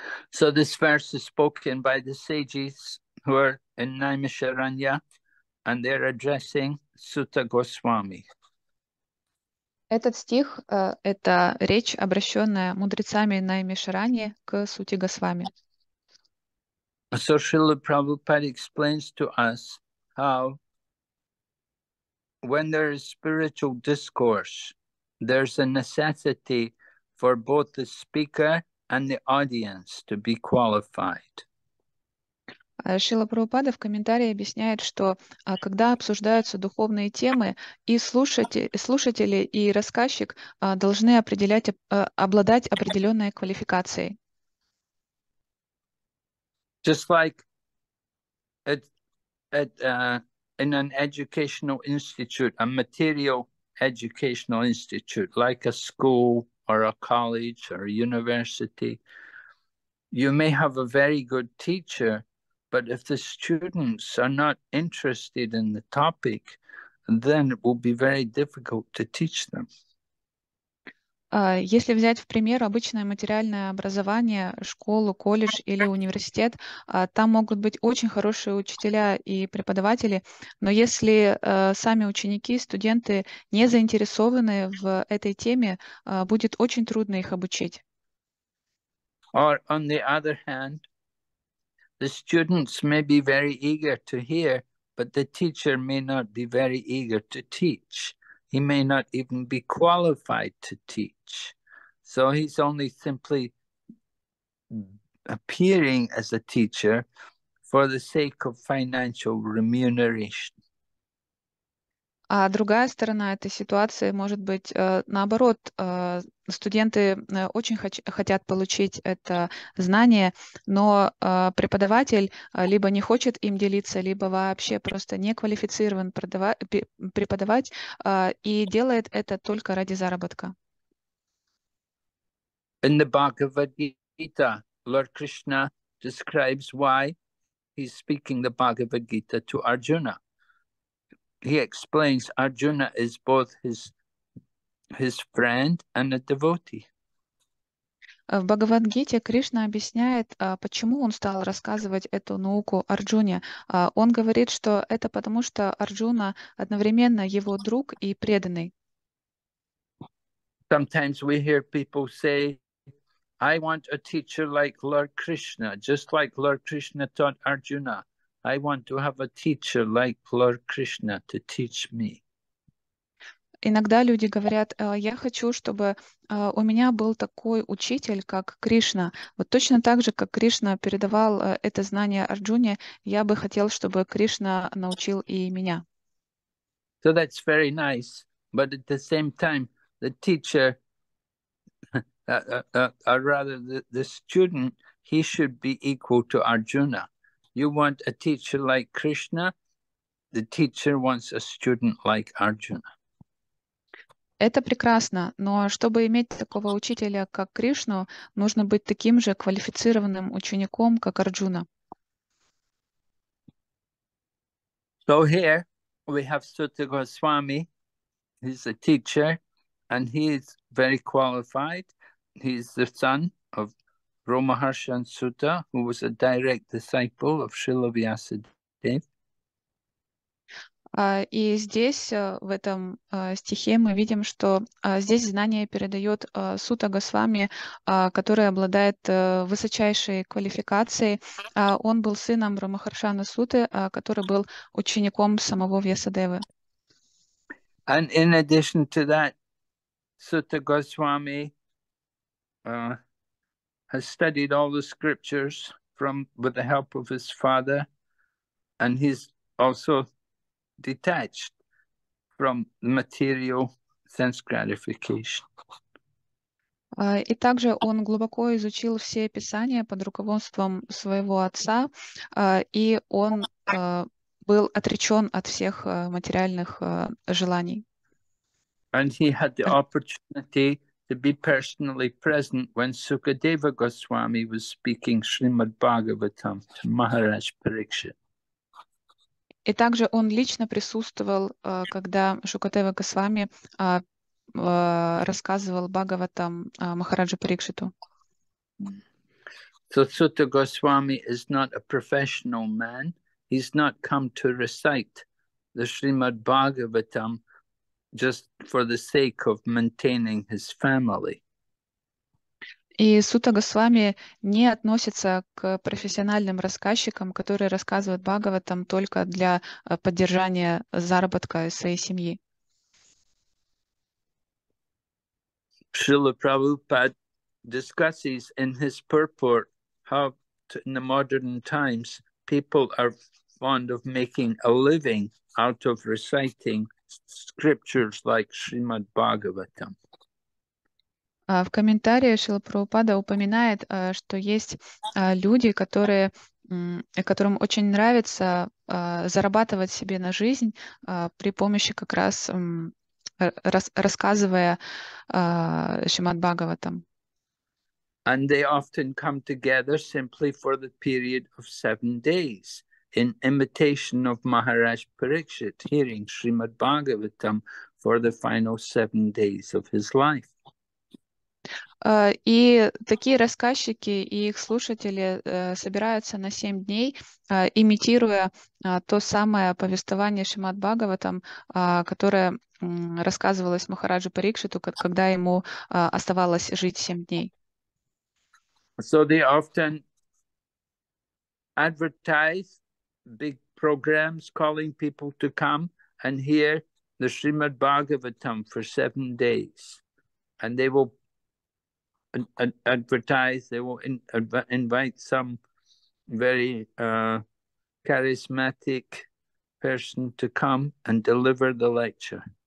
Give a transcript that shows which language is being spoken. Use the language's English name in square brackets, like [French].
[English] So this verse is spoken by the sages who are in Naimisharanya, and they're addressing Suta Goswami. [Russian] Этот стих – это речь, обращенная мудрецами Наймишарани к Сути Госвами. [English] So Srila Prabhupada explains to us how when there is spiritual discourse, there's a necessity for both the speaker and the audience to be qualified. [Russian] Шрила Прабхупада в комментарии объясняет, что когда обсуждаются духовные темы, и слушатели, и рассказчик должны обладать определенной квалификацией. [English] Just like in an educational institute, a material educational institute, like a school or a college or a university, you may have a very good teacher, but if the students are not interested in the topic, then it will be very difficult to teach them. [Russian] Если взять, в пример, обычное материальное образование, школу, колледж или университет, там могут быть очень хорошие учителя и преподаватели, но если сами ученики, студенты не заинтересованы в этой теме, будет очень трудно их обучить. [English] Or, on the other hand, the students may be very eager to hear, but the teacher may not be very eager to teach. He may not even be qualified to teach. So he's only simply appearing as a teacher for the sake of financial remuneration. [Russian] А другая сторона этой ситуации может быть наоборот. Студенты очень хотят получить это знание, но преподаватель либо не хочет им делиться, либо вообще просто не квалифицирован преподавать и делает это только ради заработка. [English] In the Bhagavad-gita, Lord Krishna describes why he's speaking the Bhagavad-gita to Arjuna. He explains Arjuna is both his friend and a devotee. [Russian] В Бхагавад-гите Кришна объясняет, почему он стал рассказывать эту науку Арджуне. Он говорит, что это потому, что Арджуна одновременно его друг и преданный. [English] Sometimes we hear people say, I want a teacher like Lord Krishna, just like Lord Krishna taught Arjuna. I want to have a teacher like Lord Krishna to teach me. [Russian] Иногда люди говорят, я хочу, чтобы у меня был такой учитель, как Кришна. Вот точно так же, как Кришна передавал это знание Арджуне, я бы хотел, чтобы Кришна научил и меня. [English] So that's very nice, but at the same time, the teacher, or rather the student, he should be equal to Arjuna. You want a teacher like Krishna, the teacher wants a student like Arjuna. [Russian] Это прекрасно, но чтобы иметь такого учителя, как Кришну, нужно быть таким же квалифицированным учеником, как Арджуна. [English] So here we have Sutta Goswami. He's a teacher, and he is very qualified. He's the son of Ramaharshi and Sutta, who was a direct disciple of Srila Vyasadeva. [Russian] И здесь, в этом стихе, мы видим, что здесь знание передает Сута Госвами, который обладает высочайшей квалификацией. Он был сыном Рамахаршана Суты, который был учеником самого Вьясадевы. [English] And in addition to that, Сута Госвами has studied all the scriptures with the help of his father, and he's also detached from material sense gratification. [Russian] И также он глубоко изучил все писания под руководством своего отца, и он был отречен от всех материальных желаний. [English] And he had the opportunity to be personally present when Sukadeva Goswami was speaking Srimad Bhagavatam to Maharaj Parikshit. [Russian] И также он лично присутствовал, когда Шукадева Госвами рассказывал Бхагаватам Махараджу Парикшиту. [English] So Sutta Goswami is not a professional man. He's not come to recite the Srimad Bhagavatam just for the sake of maintaining his family. [Russian] И Сута Госвами не относится к профессиональным рассказчикам, которые рассказывают Бхагаватам только для поддержания заработка своей семьи. [English] Шрила Прабхупад discusses in his purport how in the modern times people are fond of making a living out of reciting scriptures like Srimad Bhagavatam. [Russian] В комментарии Шрила Прабхупада упоминает, что есть люди, которые, которым очень нравится зарабатывать себе на жизнь при помощи как раз рассказывая Шримад Бхагаватам. [English] And they often come together simply for the period of 7 days in imitation of Maharaj Parikshit, hearing Srimad Bhagavatam for the final 7 days of his life. [Russian] И такие рассказчики и их слушатели собираются на 7 дней, имитируя то самое повествование Шримад Бхагаватам, которое рассказывалось Махараджу Парикшиту, когда ему оставалось жить 7 дней. [English] So they often advertise big programs calling people to come and hear the Srimad Bhagavatam for 7 days. And they will advertise, they will invite some very charismatic person to come and deliver the lecture.